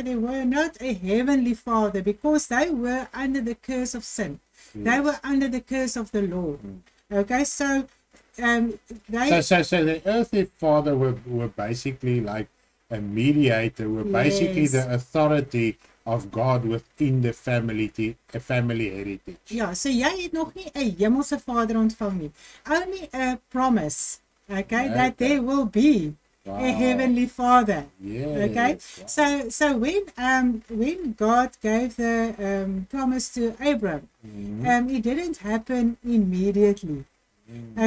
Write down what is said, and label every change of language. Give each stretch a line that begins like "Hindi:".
English: They were not a heavenly father, because they were under the curse of sin. Yes. They were under the curse of the law. Mm. Okay, so So the earthly father were basically like a mediator, basically the authority of God within the family heritage.
Afrikaans: Yeah, so jy het nog nie 'n hemelse vader ontvang nie.
English: Only a promise, okay, that there will be a heavenly father. Yes. Okay. So when God gave the promise to Abram, it didn't happen immediately. Mm-hmm.